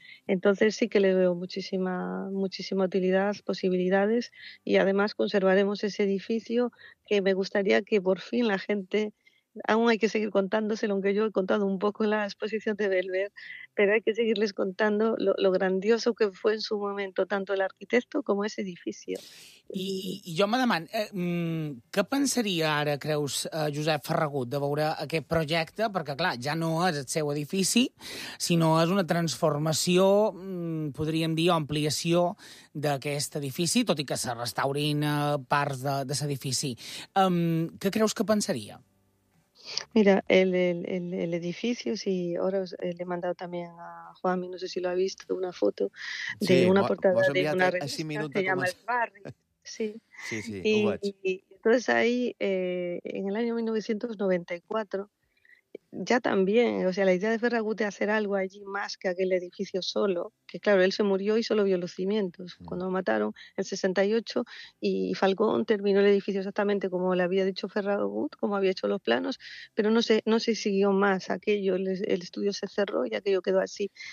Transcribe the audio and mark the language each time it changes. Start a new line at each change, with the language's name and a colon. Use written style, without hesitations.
Spanish: Entonces sí que le veo muchísima, muchísima utilidad, posibilidades, y además conservaremos ese edificio que me gustaría que por fin la gente, aún hay que seguir contándoselo, aunque yo he contado un poco en la exposición de Belver, pero hay que seguirles contando lo grandioso que fue en su momento tanto el arquitecto como ese edificio.
Catalan: I jo me demano, què pensaria ara, creus, Josep Ferragut, de veure aquest projecte? Perquè, clar, ja no és el seu edifici, sinó és una transformació, podríem dir, ampliació d'aquest edifici, tot i que se restaurin parts de l'edifici. Què creus que pensaria?
Spanish: Mira, el edificio, sí, ahora le he mandado también a Juanmi, no sé si lo ha visto, una foto de sí, una portada de una revista a 6 minutos, que se llama El Barri. Sí, sí, sí. Y entonces ahí, en el año 1994, ya también, o sea, la idea de Ferragut de hacer algo allí más que aquel edificio solo, que claro, él se murió y solo vio los cimientos, cuando lo mataron en 68, y Falcón terminó el edificio exactamente como le había dicho Ferragut, como había hecho los planos, pero no se siguió más aquello, el estudio se cerró y aquello quedó así.